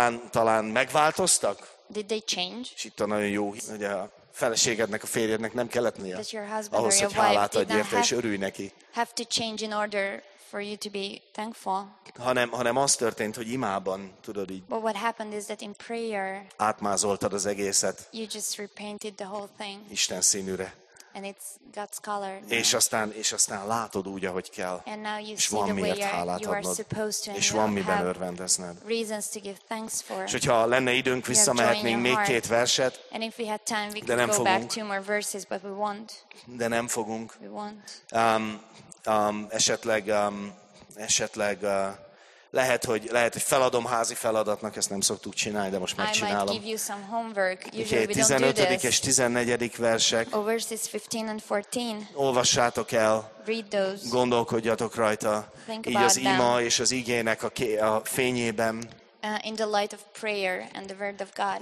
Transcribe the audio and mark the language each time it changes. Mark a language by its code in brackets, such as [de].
[hu] Talán megváltoztak? És itt a nagyon jó, ugye, feleségednek, a férjednek nem kellett nia ahhoz, hogy hálát adj érte, és örülj neki. [en] Have to change in order for you to be thankful. [hu] Hanem az történt, hogy imában, tudod így. [en] But what happened is that in prayer, [hu] átmázoltad az egészet. [en] You just repainted the whole thing. [hu] Isten színűre. [en] And it's God's color. [hu] És aztán látod úgy, ahogy kell. [en] And now you see the way [hu] hálát adnod, és van miben örvendezned. [en] Reasons to give thanks for. [hu] És hogyha lenne időnk, visszamehetnénk még két verset. [en] And if we had time, we could go back two more verses, but we won't. [hu] De nem fogunk. [en] We won't. [hu] Lehet, hogy feladom házi feladatnak, ezt nem szoktuk csinálni, de most megcsinálom. [en] I might give you some homework. Usually we don't do this. [hu] És 14. versek. [en] Or verses 15 and 14. [hu] Olvassátok el. [en] Read those. [hu] Gondolkodjatok rajta. Így az ima és az igének a fényében. [en] In the light of prayer and the word of God.